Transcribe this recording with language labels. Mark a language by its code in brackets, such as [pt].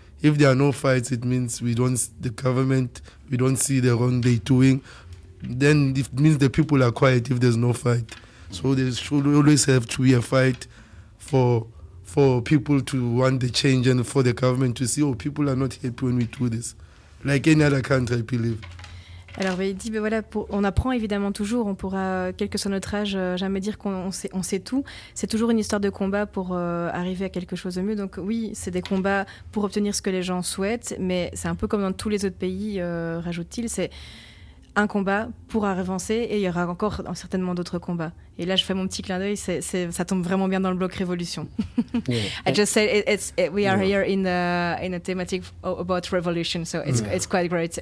[en] If there are no fights, it means we don't see the wrong they're doing. Then it means the people are quiet if there's no fight. So there should always have to be a fight for people to want the change and for the government to see, oh, people are not happy when we do this. Like any other country, I believe. [fr] Alors il dit, on apprend évidemment toujours, on pourra, quel que soit notre âge, jamais dire qu'on sait tout. C'est toujours une histoire de combat pour arriver à quelque chose de mieux. Donc oui, c'est des combats pour obtenir ce que les gens souhaitent, mais c'est un peu comme dans tous les autres pays, rajoute-t-il, c'est un combat pour avancer et il y aura encore certainement d'autres combats. Et là, je fais mon petit clin d'œil, ça tombe vraiment bien dans le bloc révolution. [en] Yeah. I just said we are here in a thematic about revolution, so it's quite great.